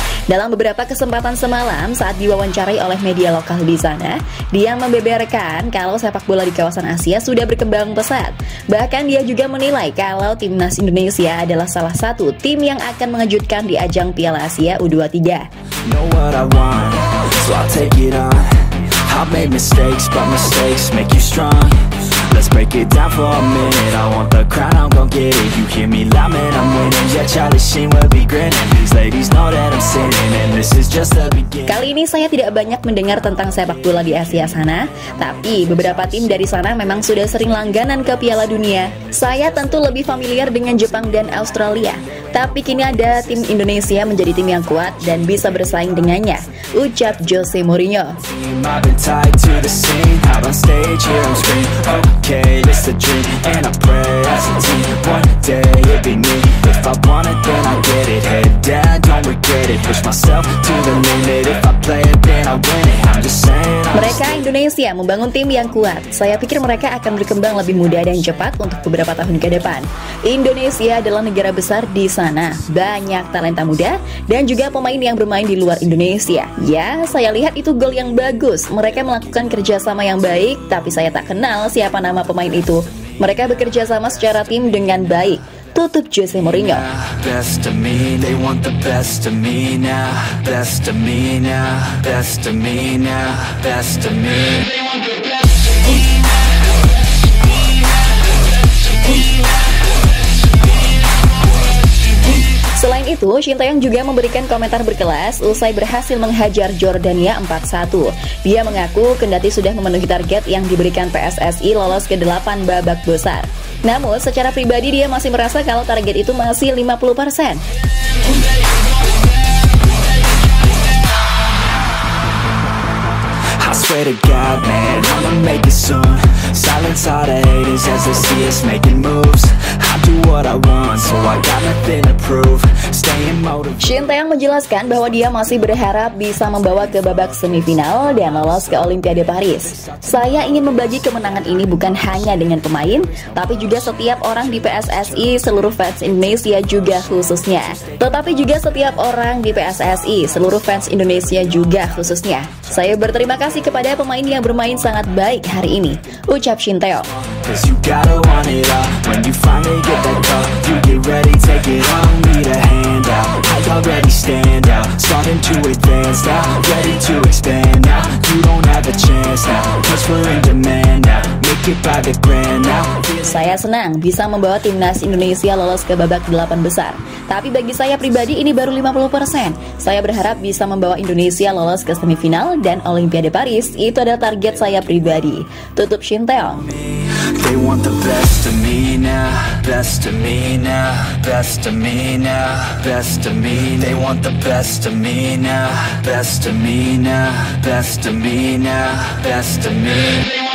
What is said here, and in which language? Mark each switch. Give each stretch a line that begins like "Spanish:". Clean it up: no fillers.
Indonesian: Dalam beberapa kesempatan semalam saat diwawancarai oleh media lokal di sana, dia membeberkan kalau sepak bola di kawasan Asia sudah berkembang pesat. Bahkan dia juga menilai kalau timnas Indonesia adalah salah satu tim yang akan mengejutkan di ajang Piala Asia U23.
English: Know what I want, so I'll take it on. I've made mistakes, but mistakes make you strong. Let's break it down for a minute. I want the crown, I'm gon' get it. You hear me loud, man, I'm winning. Yeah, Charlie Sheen will be grinning. These ladies know that I'm sinning, and this is just the beginning.
Indonesian: Kali ini saya tidak banyak mendengar tentang sepak bola di Asia sana, tapi beberapa tim dari sana memang sudah sering langganan ke Piala Dunia. Saya tentu lebih familiar dengan Jepang dan Australia, tapi kini ada tim Indonesia menjadi tim yang kuat dan bisa bersaing dengannya, ucap Jose Mourinho.
English: Tied to the scene, out on stage, here on screen. Okay, it's a dream, and I pray as a team. One day it'd be me. If I want it, then I get it. Head down, don't regret it. Push myself to the limit. If I play it, then I win it. I'm just saying.
Indonesian: Mereka Indonesia membangun tim yang kuat. Saya pikir mereka akan berkembang lebih mudah dan cepat untuk beberapa tahun ke depan. Indonesia adalah negara besar di sana. Banyak talenta muda dan juga pemain yang bermain di luar Indonesia. Ya, saya lihat itu gol yang bagus. Mereka melakukan kerjasama yang baik, tapi saya tak kenal siapa nama pemain itu. Mereka bekerja sama secara tim dengan baik. tutup Jose Mourinho.
English: Best of me, they want the best of me now. Best of me now, best of me now, best of me.
Indonesian: Selain itu, Shin Tae-yong juga memberikan komentar berkelas usai berhasil menghajar Jordania 4-1. Dia mengaku kendati sudah memenuhi target yang diberikan PSSI lolos ke 8 babak besar. Namun, secara pribadi dia masih merasa kalau target itu masih 50%.
English: I swear to God, man, I'ma make it soon. Silence all the haters as they see us making moves. I do what I want, so I got nothing to prove. Staying motivated.
Indonesian: Shin Tae-yong menjelaskan bahwa dia masih berharap bisa membawa ke babak semifinal dan lolos ke Olimpiade Paris. Saya ingin membagi kemenangan ini bukan hanya dengan pemain, tapi juga setiap orang di PSSI, seluruh fans Indonesia juga khususnya. Tetapi juga setiap orang di PSSI, seluruh fans Indonesia juga khususnya. Saya berterima kasih kepada pemain yang bermain sangat baik hari ini, ucap Shin Tae-yong.
English: Cause you gotta want it all. When you finally get that call, you get ready, take it on. Need a hand out, I already stand out. Starting to advance now, ready to expand now. You don't have a chance now, cause we're in demand now. Make it by the grand now.
Indonesian: Saya senang bisa membawa timnas Indonesia lolos ke babak 8 besar. Tapi bagi saya pribadi ini baru 50%. Saya berharap bisa membawa Indonesia lolos ke semifinal dan Olimpiade Paris. Itu adalah target saya pribadi, tutup Shin Tae-yong.
English: They want the best of me now, best of me now, best of me now, best of me. They want the best of me now, best of me now, best of me now, best of me.